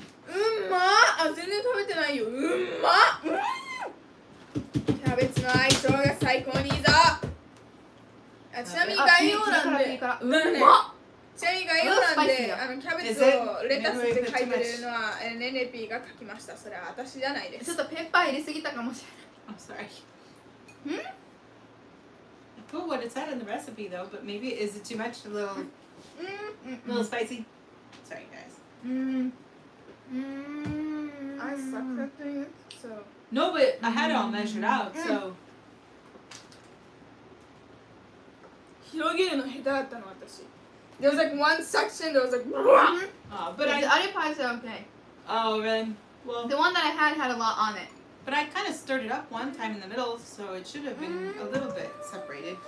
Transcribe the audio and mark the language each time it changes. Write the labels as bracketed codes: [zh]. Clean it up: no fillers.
[ja] うん、まあ、全然食べてないよ。うん、まあ、うん、キャベツの相性が最高にいいぞ。あ、ちなみに概要欄で、うん、まちなみに概要欄で、あのキャベツをレタスで書いてるのは、NNP が書きました。それは私じゃないです。ちょっとペッパー入れすぎたかもしれない。 [en] I'm sorry. ん？ Oh, what it said in the recipe though, but maybe is it too much? A little spicy? Sorry, guys. I sucked at doing it, so. No, but I had it all measured out, so. [ja] 広げるの下手だったの私. [en] There was like one section that was like. But the other pies are okay. Oh, really? Well. The one that I had a lot on it. But I kind of stirred it up one time in the middle, so it should have been a little bit separated.